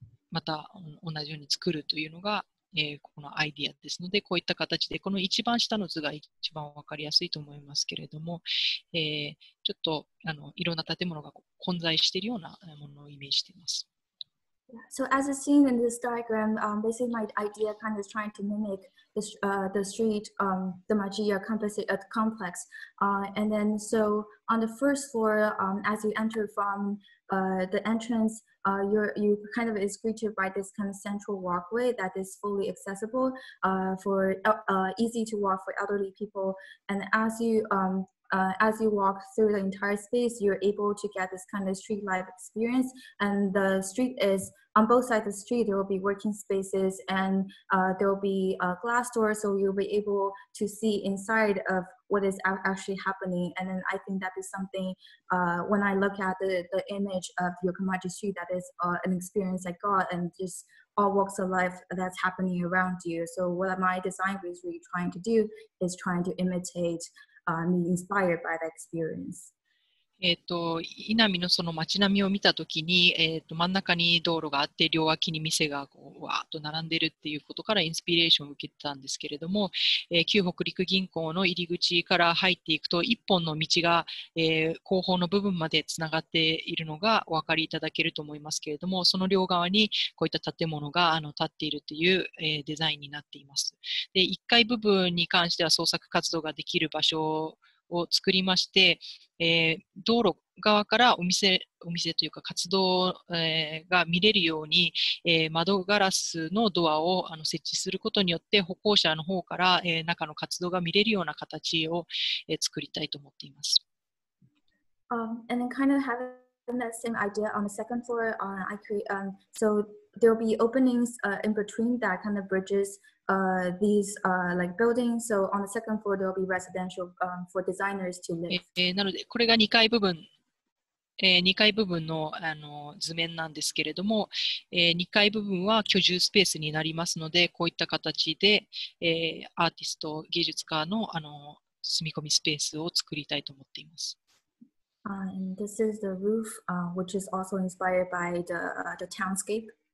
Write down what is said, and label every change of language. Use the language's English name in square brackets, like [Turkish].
[Japanese] また同じように作るというのが、このアイディアですので、こういった形でこの一番下の図が一番分かりやすいと思いますけれども、ちょっといろんな建物が混在しているようなものをイメージしています。 [English] So as is seen in this diagram, basically my idea kind of is trying to mimic this, the street, the Majia composite complex. And then so on the first floor, as you enter from the entrance, you kind of is greeted by this kind of central walkway that is fully accessible for easy to walk for elderly people. And as you walk through the entire space, you're able to get this kind of street life experience. And the street is on both sides of the street, there will be working spaces and there will be a glass door, so you'll be able to see inside of what is actually happening. And then I think that is something when I look at the image of Yokomachi Street, that is an experience I got, and just all walks of life that's happening around you. So what my design was really trying to do is trying to imitate inspired by that experience. [Japanese] 稲見のその街並みを見た時に、真ん中に道路があって両脇に店がこうわーっと並んでるっていうことからインスピレーションを受けてたんですけれども、旧北陸銀行の入り口から入っていくと一本の道が、後方の部分までつながっているのがお分かりいただけると思いますけれども、その両側にこういった建物が建っているという、デザインになっています。で、1階部分に関しては創作活動ができる場所を作りまして、道路側からお店というか活動、が見れるように、窓ガラスのドアを設置することによって歩行者の方から、中の活動が見れるような形を、作りたいと思っています。 [English] And then kind of having that same idea on the second floor, I create, so there will be openings in between that kind of bridges. These like buildings. So on the second floor, there will be residential for designers to live. [Japanese] なので、これが2階部分、2階部分の、図面なんですけれども、2階部分は居住スペースになりますので、こういった形で、アーティスト、芸術家の、住み込みスペースを作りたいと思っています。 [English] And this is the roof, which is also inspired by the townscape.